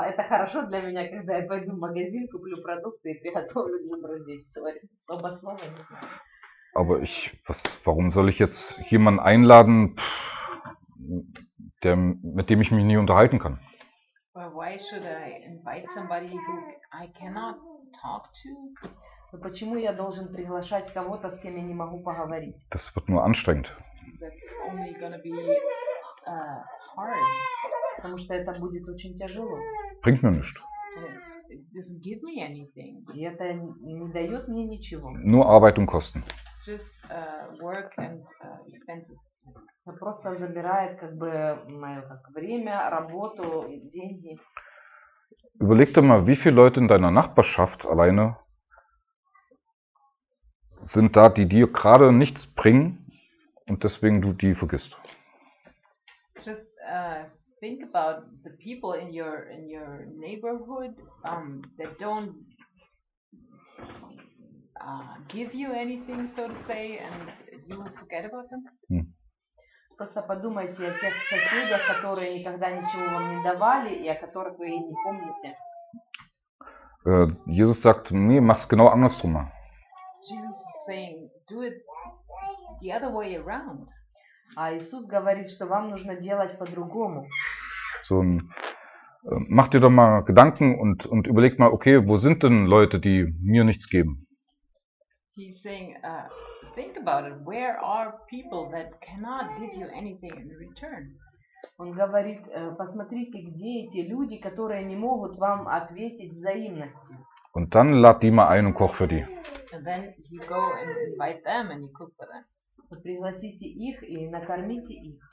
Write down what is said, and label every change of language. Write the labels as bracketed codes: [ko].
[ru] Это хорошо для меня, когда я пойду в магазин, куплю продукты и приготовлю для друзей. Оба слова. [de] Aber ich, was, warum soll ich jetzt jemanden einladen? Mit dem ich mich nie unterhalten kann. [en] Well, why should I invite somebody who I cannot talk to? [ru] Почему я должен приглашать кого-то, с кем я не могу поговорить? [de] Das wird nur anstrengend. [en] That's only gonna be hard. [ru] Потому что это будет очень тяжело. [de] Bringt mir nichts. [en] It doesn't give me anything. [ru] И это не дает мне ничего. [de] Nur Arbeit und Kosten. [en] Just work and expenses. [ru] Это просто забирает как бы мое время, работу, деньги. [de] Überleg dir mal, wie viele Leute in deiner Nachbarschaft alleine sind da, die dir gerade nichts bringen und deswegen du die vergisst. [en] Just think about the people in your neighborhood that don't give you anything, so to say, and you forget about them. [ru] Просто подумайте о тех соседях, которые никогда ничего вам не давали и о которых вы и не помните. [de] Jesus sagt, nee, mach's genau andersrum. [en] Jesus is saying, do it the other way around. [ru] А Иисус говорит, что вам нужно делать по-другому. [de] So, mach dir doch mal Gedanken und überleg mal, okay, wo sind denn Leute, die mir nichts geben? [en] He's saying, think about it. Where are people that cannot give you anything in return? [ru] Он говорит, посмотрите, где эти люди, которые не могут вам ответить взаимностью. [de] Und dann lad die mal ein und koch für die. [en] And then you go and invite them and you cook for them. [ru] Пригласите их и накормите их.